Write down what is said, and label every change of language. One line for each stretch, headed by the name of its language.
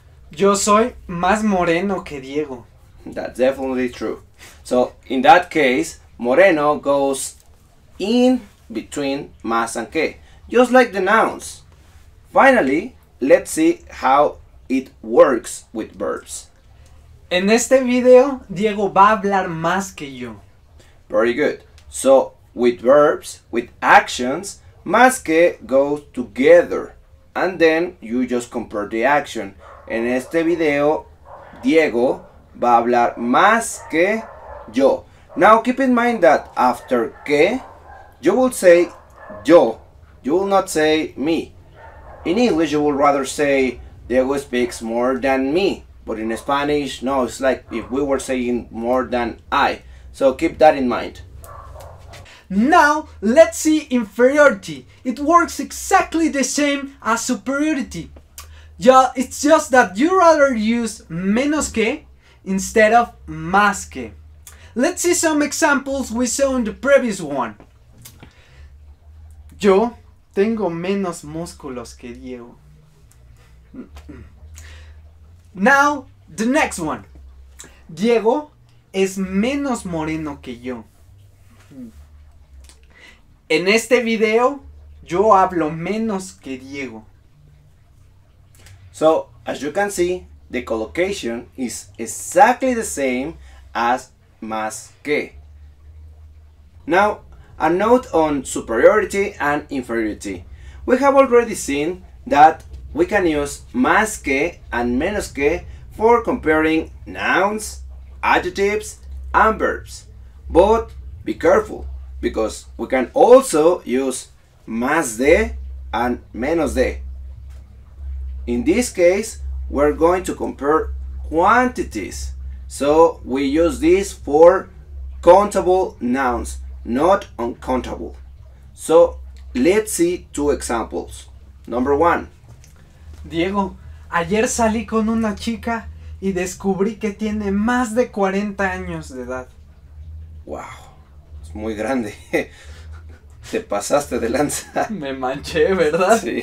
Spanish: Yo soy más moreno que Diego.
English: That's definitely true. So, in that case, moreno goes in between más and que, just like the nouns. Finally, let's see how it works with verbs.
Spanish: En este video, Diego va a hablar más que yo.
English: Very good. So, with verbs, with actions, más que goes together. And then you just compare the action.
Spanish: En este video, Diego va a hablar más que yo.
English: Now, keep in mind that after que, you will say yo. You will not say me. In English, you will rather say Diego speaks more than me. But in Spanish, no, it's like if we were saying more than I. So keep that in mind. Now, let's see inferiority. It works exactly the same as superiority. Yeah, it's just that you rather use menos que instead of más que. Let's see some examples we saw in the previous one.
Spanish: Yo tengo menos músculos que Diego.
English: Now, the next one.
Spanish: Diego es menos moreno que yo. En este video, yo hablo menos que Diego.
English: So, as you can see, the collocation is exactly the same as más que. Now, a note on superiority and inferiority. We have already seen that we can use más que and menos que for comparing nouns, adjectives, and verbs. But be careful, because we can also use más de and menos de. In this case, we're going to compare quantities. So we use this for countable nouns, not uncountable. So let's see two examples. Number one.
Spanish: Diego, ayer salí con una chica y descubrí que tiene más de 40 años de edad. Wow, es muy grande. Te pasaste de lanza. Me manché, ¿verdad?